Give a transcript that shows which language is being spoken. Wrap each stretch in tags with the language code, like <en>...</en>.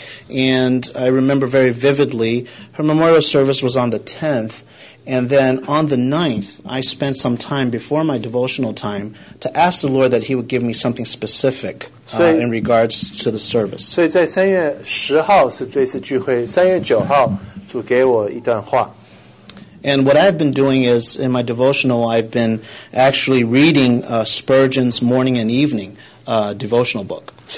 <en>And I remember very vividly, her memorial service was on the 10th, and then on the 9th, I spent some time before my devotional time to ask the Lord that He would give me something specific in regards to the service.</en> <zh>所以在3月10号是追思聚会，3月9号主给我一段话。</zh> <en>And what I've been doing is, in my devotional, I've been actually reading Spurgeon's Morning and Evening devotional book.</en>